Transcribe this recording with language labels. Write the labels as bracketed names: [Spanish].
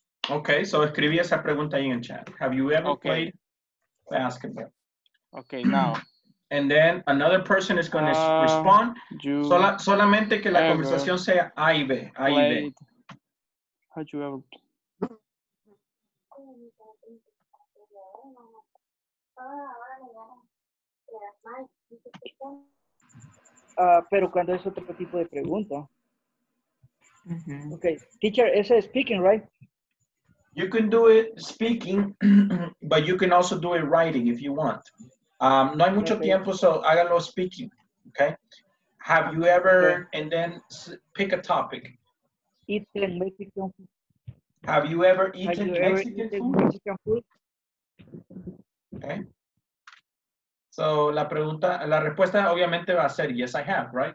[Spanish] Okay, so escribí esa pregunta ahí en chat. [English] Have you ever played basketball? Okay, now. And then another person is going to respond. [Spanish] Solamente que la conversación sea A y B. A y B. [English] How'd you ever? [Spanish] Pero cuando es otro tipo de pregunta. Okay, teacher, ese es speaking, right? [English] You can do it speaking, but you can also do it writing if you want. [Spanish] No hay mucho tiempo, so hágalo speaking, okay? [English] Have you ever, and then pick a topic. Eaten Mexican food. Have you ever eaten Mexican food? Okay. [Spanish] So la pregunta, la respuesta obviamente va a ser, [English] yes, I have, right?